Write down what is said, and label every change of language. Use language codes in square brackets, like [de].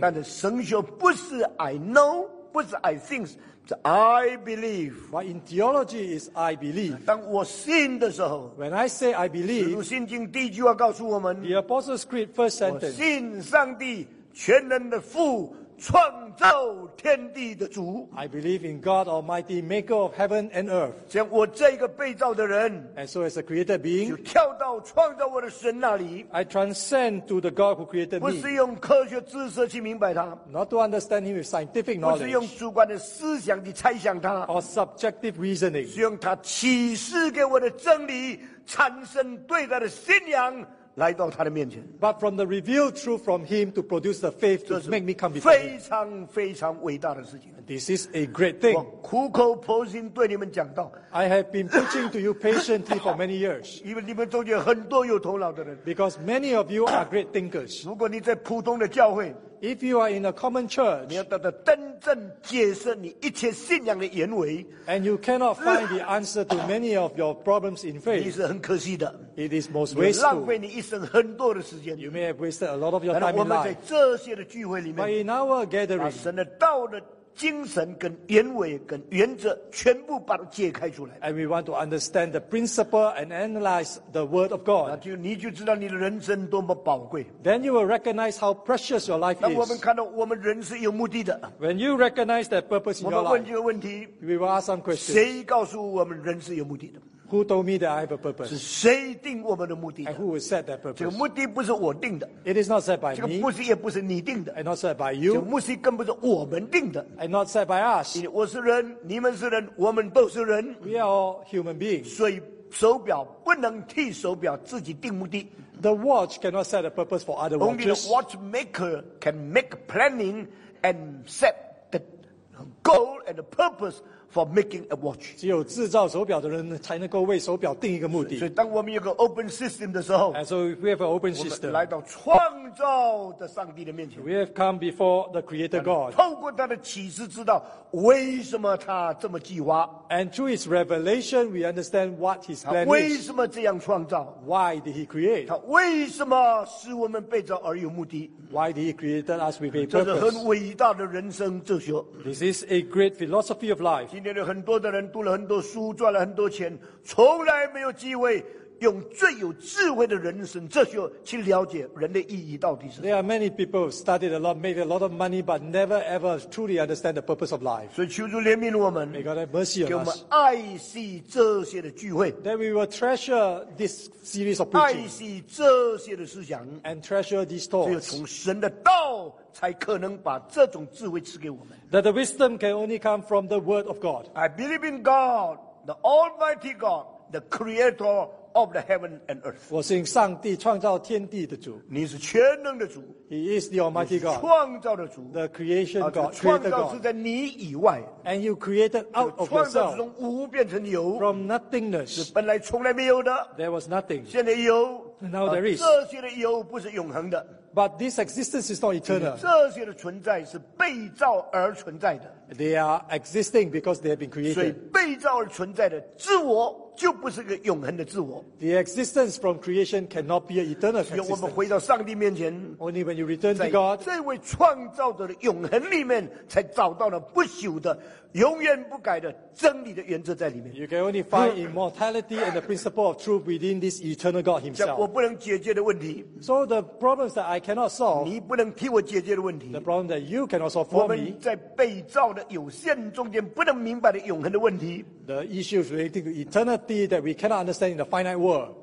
[zh] 但是神学不是 [en] I know, [zh] 不是 [en] I think, [zh] 是 [en] I believe. But in theology is I believe. [zh] 当我信的时候 [en] When I say I believe, [zh] 使徒信经第一句话告诉我们 [en] The Apostles' Creed first sentence, [zh] 我信上帝全能的父创造天地的主 [en] I believe in God Almighty, maker of heaven and earth. [zh] 将我这个被造的人 [en] And so as a created being, [zh] 就跳到创造我的神那里 [en] I transcend to the God who created me. [zh] 不是用科学知识去明白他 [en] Not to understand him with scientific knowledge. [zh] 不是用主观的思想去猜想他 [en] Or subjective reasoning. [zh] 是用他启示给我的真理产生对他的信仰来到他的面前 [en] But from the revealed truth from him to produce the faith to make me come before him. [zh] 非常非常伟大的事情 [en] This is a great thing. [zh] 我苦口婆心对你们讲道 [en] I have been preaching to you patiently for many years. [zh] 因为你们中间很多有头脑的人 [en] Because many of you are great thinkers. [zh] 如果你在普通的教会 [en] If you are in a common church, [zh] 你要得到真正解释你一切信仰的原委 [en] And you cannot find the answer to many of your problems in faith. [zh] 你是很可惜的 [en] It is most wasteful. [zh] 很多的时间 [en] You may have wasted a lot of your time in life. [zh] 我们在这些的聚会里面 [en] But in our gathering, [zh] 把神的道的精神跟原委跟原则全部把它解开出来 [en] And we want to understand the principle and analyze the word of God. [zh] 你就知道你的人生多么宝贵 [en] Then you will recognize how precious your life is. [zh] 那我们看到我们人是有目的的 [en] When you recognize that purpose in your life, [zh] 我们问这个问题 [en] We will ask some questions. [zh] 谁告诉我们人是有目的的 [en] Who told me that I have a purpose? [zh] 是谁定我们的目的的 [en] And who will set that purpose? [zh] 这个目的不是我定的 [en] It is not set by me. [zh] 这个目的也不是你定的 [en] And not set by you. [zh] 这个目的更不是我们定的 [en] And not set by us. [zh] 因为我是人，你们是人，我们都是人。 [en] We are all human beings. [zh] 所以手表不能替手表自己定目的。 [en] The watch cannot set a purpose for other watches. Only the watchmaker can make planning and set the goal and the purpose. For making a watch. [zh] 只有制造手表的人才能够为手表定一个目的。所以当我们有个 open system 的时候 [en] And so we have an open system. [zh] 我们来到创造的上帝的面前。 [en] We have come before the creator God. [zh] 透过他的启示知道为什么他这么计划。 [en] And through his revelation, we understand what his plan is. [zh] 他为什么这样创造。 [en] Why did he create? [zh] 他为什么使我们被造而有目的。 [en] Why did he create us with a purpose? [zh] 这是很伟大的人生哲学。 [en] This is a great philosophy of life. [zh] 今天有很多的人读了很多书赚了很多钱从来没有机会用最有智慧的人生哲学去了解人的意义到底是什么 [en] There are many people who studied a lot made a lot of money but never ever truly understand the purpose of life [zh] 所以求主怜悯我们 [en] May God have mercy on us [zh] 给我们爱惜这些的聚会 [en] That we will treasure this series of preaching [zh] 爱惜这些的思想 [en] And treasure these thoughts [zh] 只有从神的道才可能把这种智慧赐给我们 [en] That the wisdom can only come from the word of God I believe in God the almighty God the creatorOf the heaven and earth. [zh] 我信上帝创造天地的主。你是全能的主。 [en] He is the Almighty God. [zh] 创造的主。 [en] The creation God. [zh] 创造是在你以外。 [en] And you created out of yourself. [zh] 创造之中无变成有。 [en] From nothingness. [zh] 是本来从来没有的。 [en] There was nothing. [zh] 现在有。 [en] Now there is. [zh] 这些的有不是永恒的。 [en] But this existence is not eternal. [zh] 这些的存在是被造而存在的。 [en] They are existing because they have been created. [zh] 所以被造而存在的自我。就不是个永恒的自我。 [en] The existence from creation cannot be an eternal existence. [zh] 只有我们回到上帝面前 [en] ，Only when you return to God， [zh] 在这位创造者的永恒里面，才找到了不朽的、永远不改的真理的原则在里面。 [en] You can only find immortality and the principle of truth within this eternal God Himself. [zh] 我不能解决的问题。 [en] So the problems that I cannot solve， [zh] 你不能替我解决的问题。 [en] The problem that you cannot solve for me， [zh] 我们在被造的有限中间不能明白的永恒的问题。 [en] The issues relating to eternity that we cannot understand in the finite world.